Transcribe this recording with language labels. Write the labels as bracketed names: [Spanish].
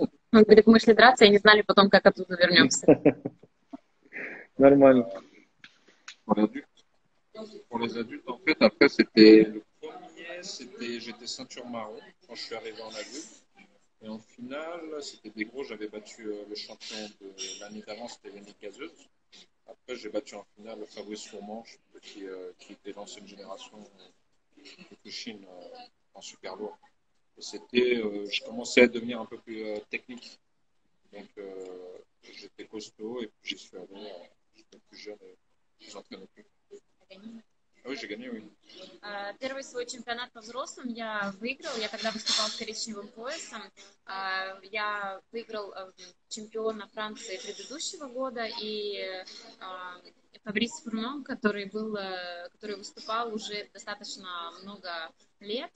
[Russian] Он говорит, мы шли драться и не знали потом, как оттуда вернемся. Нормально. [French] Pour les adultes, en fait, après, c'était le premier, j'étais ceinture marron quand je suis arrivé en adulte. Et en finale, c'était des gros, j'avais battu le champion de l'année d'avant, c'était Yannick Gazeux. Après, j'ai battu en finale Fabrice Fourmanche, qui était l'ancienne génération de Kyokushin en super lourd. c'était, je commençais à devenir un peu plus technique. Donc, j'étais costaud et puis j'y suis allé. J'étais plus jeune et plus entraîné. Oui, j'ai gagné, oui. [Russian] Первый свой чемпионат по взрослым я выиграл. Я тогда выступал с коричневым поясом. Я выиграл чемпиона Франции предыдущего года и Фабрис Фурнон, который выступал уже достаточно много лет.